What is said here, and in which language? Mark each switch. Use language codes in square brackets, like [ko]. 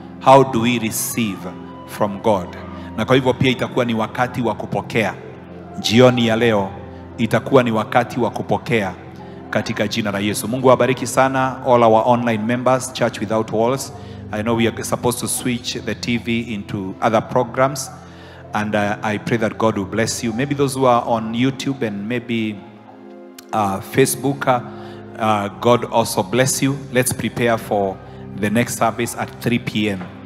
[en] How do we receive from God? [sw] Na kwa hivyo pia itakuwa ni wakati wa kupokea. Jioni ya leo itakuwa ni wakati wa kupokea katika jina la Yesu. Mungu wabariki sana [en] all our online members, Church Without Walls. I know we are supposed to switch the TV into other programs. And I pray that God will bless you. Maybe those who are on YouTube and maybe Facebook, God also bless you. Let's prepare for the next service at 3 p.m.